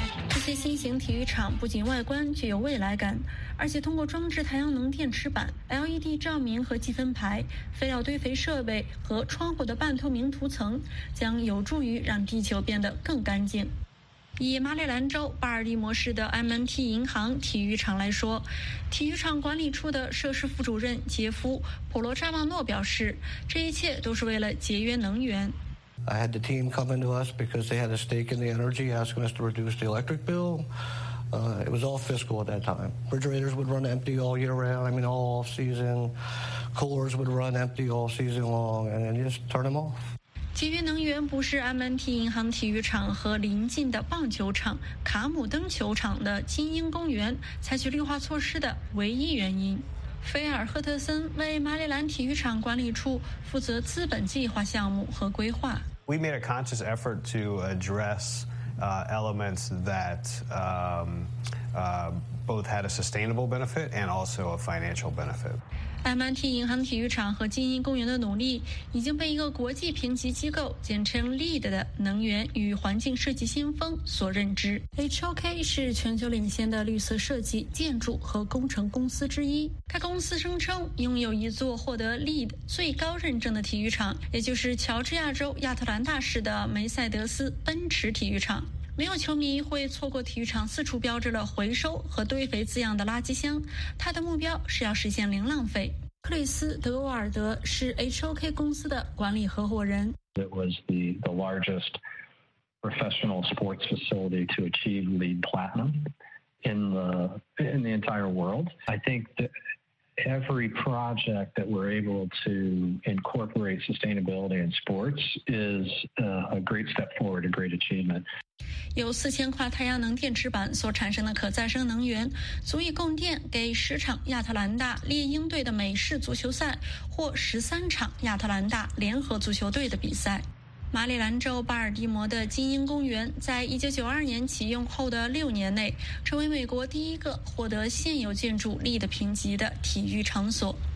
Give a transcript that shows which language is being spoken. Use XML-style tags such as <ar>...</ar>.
<zh>这些新型体育场不仅外观具有未来感，而且通过装置太阳能电池板、 LED 照明和计分牌、废料堆肥设备和窗户的半透明涂层，将有助于让地球变得更干净。以马里兰州巴尔的摩市的 M&T 银行体育场来说，体育场管理处的设施副主任杰夫·普罗扎曼诺表示，这一切都是为了节约能源。</zh> <en>I had the team come into us because they had a stake in the energy, asking us to reduce the electric bill. It was all fiscal at that time. Refrigerators would run empty all year round. I mean, all off season. Coolers would run empty all season long, and then just turn them off.</en> <zh>节约能源不是 M&T 银行体育场和邻近的棒球场、卡姆登球场的精英公园采取绿化措施的唯一原因。菲尔·赫特森为马里兰体育场管理处负责资本计划项目和规划。</zh> <en>We made a conscious effort to address elements that both had a sustainable benefit and also a financial benefit.</en> <zh>M&T 银行体育场和精英公园的努力已经被一个国际评级机构，简称 LEED 的能源与环境设计先锋所认知。 HOK 是全球领先的绿色设计、建筑和工程公司之一。该公司声称拥有一座获得 LEED 最高认证的体育场，也就是乔治亚州亚特兰大市的梅赛德斯奔驰体育场。没有球迷会错过体育场四处标志了回收和堆肥字样的垃圾箱，他的目标是要实现零浪费。克里斯·德沃尔德是 HOK 公司的管理合伙人。</zh> <en>It was the largest professional sports facility to achieve LEED Platinum in the entire world. I think that every project that we're able to incorporate sustainability in sports is a great step forward, a great achievement.</en> <zh>有4000块太阳能电池板所产生的可再生能源，足以供电给10场亚特兰大猎鹰队的美式足球赛或13场亚特兰大联合足球队的比赛。马里兰州巴尔的摩的精英公园在1992年启用后的6年内，成为美国第一个获得现有建筑LEED评级的体育场所。</zh>